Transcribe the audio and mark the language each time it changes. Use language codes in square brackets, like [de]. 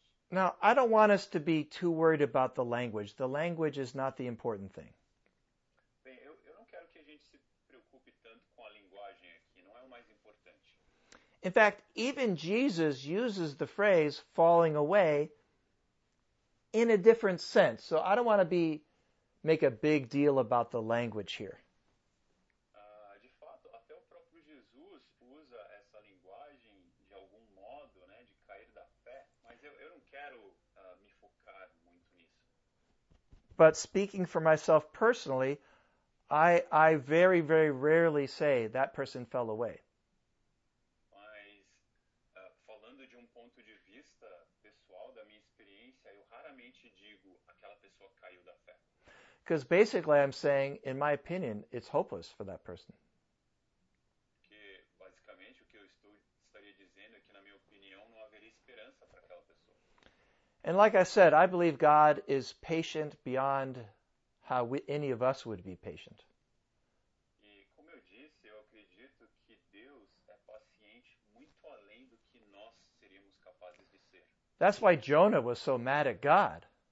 [en] Now, I don't want us to be too worried about the language. The language is not the important thing. [pt] Bem, eu não quero que a gente se preocupe tanto com a linguagem aqui. Não é o mais importante. [en] In fact, even Jesus uses the phrase falling away in a different sense. So I don't want to make a big deal about the language here. [pt] De fato, até o próprio Jesus usa essa linguagem de algum modo, né, de cair da fé. Mas eu não quero me focar muito nisso. [en] But speaking for myself personally, I very, very rarely say that person fell away. [pt] Mas falando de ponto de vista pessoal da minha experiência, eu raramente digo aquela pessoa caiu da fé. [en] Because basically I'm saying, in my opinion, it's hopeless for that person. [pt] Porque basicamente o que eu estaria dizendo é que, na minha opinião, não haveria esperança para aquela pessoa. [en] And like I said, I believe God is patient beyond how any of us would be patient. [pt] E como eu disse, eu acredito que Deus é paciente muito além do que nós seríamos capazes de ser. [en] That's why Jonah was so mad at God.